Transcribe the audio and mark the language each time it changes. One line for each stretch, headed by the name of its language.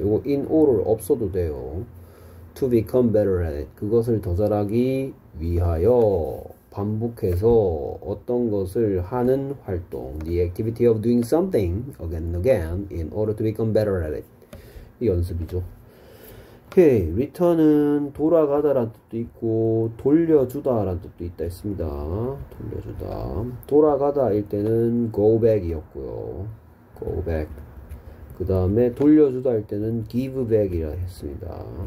Korean: 요거 in order 없어도 돼요.
English: To become better at it.
Korean: 그것을 더 잘하기 위하여. 반복해서 어떤 것을 하는 활동.
English: The activity of doing something again and again in order to become better at it.
Korean: 이 연습이죠. Okay, return은 돌아가다란 뜻도 있고, 돌려주다란 뜻도 있다 했습니다. 돌려주다. 돌아가다일 때는
English: go back
Korean: 이었고요.
English: go back.
Korean: 그 다음에 돌려주다일 때는
English: give back
Korean: 이라 했습니다.